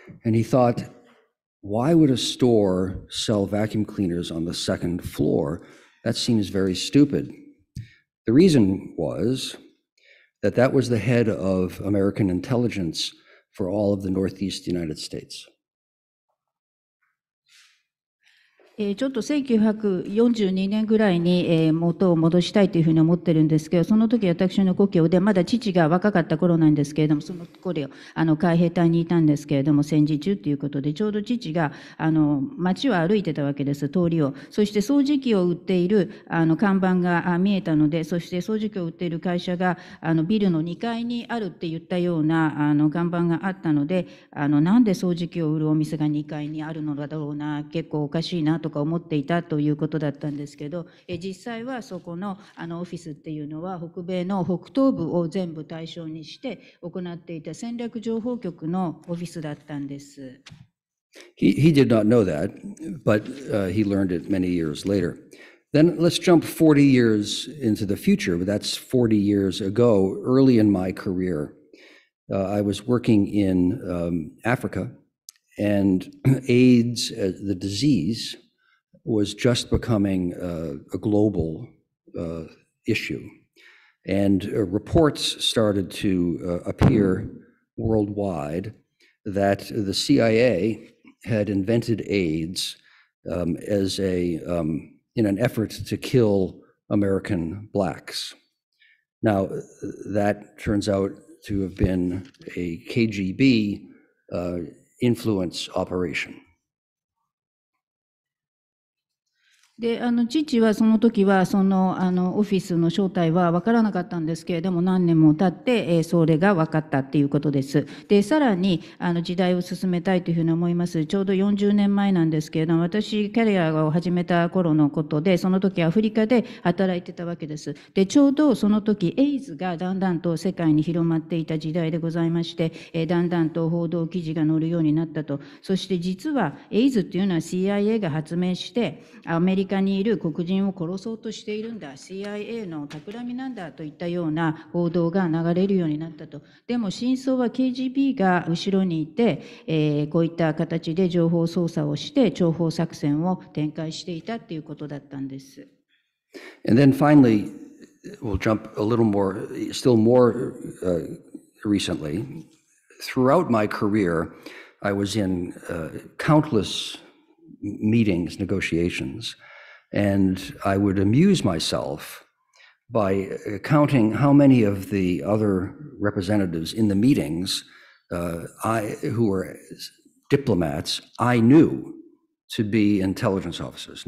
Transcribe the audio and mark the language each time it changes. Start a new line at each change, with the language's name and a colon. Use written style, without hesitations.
English: And he thought, why would a store sell vacuum cleaners on the second floor? That seems very stupid. The reason was that that was the head of American intelligence for all of the Northeast United States.
Japanese: ちょっと1942年ぐらいに元を戻したいというふうに思ってるんですけど、その時私の故郷でまだ父が若かった頃なんですけれども、その頃海兵隊にいたんですけれども、戦時中ということで、ちょうど父が街を歩いてたわけです、通りを。そして掃除機を売っている看板が見えたので、そして掃除機を売っている会社がビルの2階にあるって言ったような看板があったので、なんで掃除機を売るお店が2階にあるのだろうな、結構おかしいなとか思っていたということだったんですけど、実際はそこのオフィスっていうのは北米の北東部を全部対象にして行っていた戦略情報局のオフィスだったんです。
English: He did not know that, but he learned it many years later. Then let's jump 40 years into the future. That's 40 years ago, early in my career. I was working in Africa. And AIDS, the disease, was just becoming a global issue. And reports started to appear worldwide that the CIA had invented AIDS as a, in an effort to kill American blacks. Now, that turns out to have been a KGB influence operation.
Japanese: で父はその時はオフィスの正体は分からなかったんですけれども、何年も経ってそれが分かったっていうことです。でさらに時代を進めたいというふうに思います。ちょうど40年前なんですけれども、私キャリアを始めた頃のことで、その時アフリカで働いてたわけです。でちょうどその時エイズがだんだんと世界に広まっていた時代でございまして、だんだんと報道記事が載るようになったと。そして実はエイズっていうのは CIA が発明してアメリカにいる黒人を殺そうとしているんだ、 CIA の企みなんだといったような報道が流れるようになったと。でも真相は KGB が後ろにいて、こういった形で情報操作をして諜報作戦を展開していたということだったんです。
English: And then finally, we'll jump a little more, still more recently. Throughout my career, I was in countless meetings, negotiations. And I would amuse myself by counting how many of the other representatives in the meetings, who were diplomats, I knew to be intelligence officers.